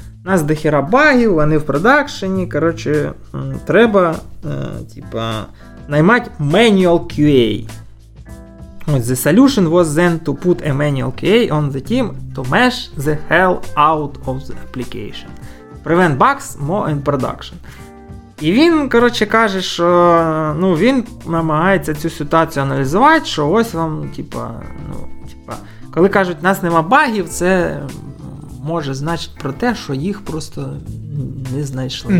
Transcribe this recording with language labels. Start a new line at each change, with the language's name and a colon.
Ukrainian: У нас дохіра багів, вони в продакшені, коротше, треба, типа, наймати manual QA.
English: The solution was then to put a manual QA on the team to mesh the hell out of the application. Prevent bugs more in production.
Ukrainian: І він, коротше, каже, що, ну, він намагається цю ситуацію аналізувати, що ось вам, типа, ну, типа, коли кажуть, у нас нема багів, це може значити про те, що їх просто не знайшли.